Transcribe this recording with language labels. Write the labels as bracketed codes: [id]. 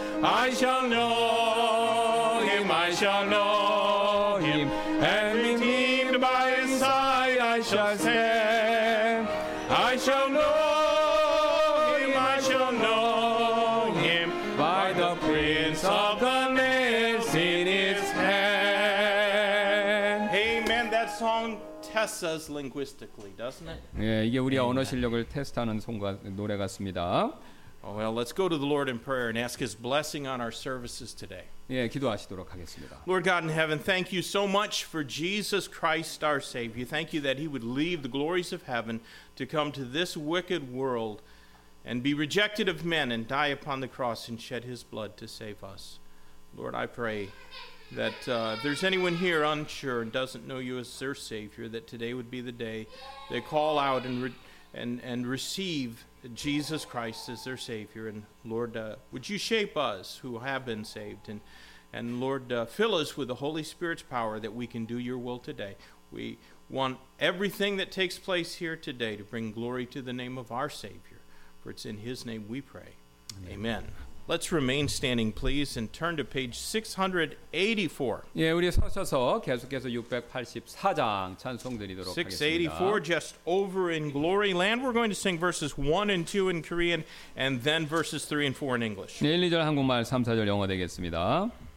[en] I shall know him, I shall know him, and redeemed by his side I shall stand. I shall know him, I shall know him, by the prince of the nails in his hand. Amen. That song tests us linguistically, doesn't it? [ko] 예, 이게 우리의 언어 실력을 테스트하는 송과 노래 같습니다. [en] Well, let's go to the Lord in prayer and ask His blessing on our services today. [ko] 예, 기도하시도록 하겠습니다. [en] Lord God in heaven, thank you so much for Jesus Christ, our Savior. Thank you that He would leave the glories of heaven to come to this wicked world and be rejected of men and die upon the cross and shed His blood to save us. Lord, I pray that if there's anyone here unsure and doesn't know you as their Savior, that today would be the day they call out and receive Jesus Christ is their Savior, and Lord, would you shape us who have been saved, and Lord, fill us with the Holy Spirit's power that we can do your will today. We want everything that takes place here today to bring glory to the name of our Savior, for it's in His name we pray. Amen. Amen. Let's remain standing, please, and turn to page 684. [ko] 예, 우리 서셔서 계속해서 684장 찬송 드리도록 하겠습니다. [en] 684, just over in glory land. We're going to sing verses 1 and 2 in Korean, and then verses 3 and 4 in English. [ko] 네, 1, 2절 한국말, 3, 4절 영어 되겠습니다.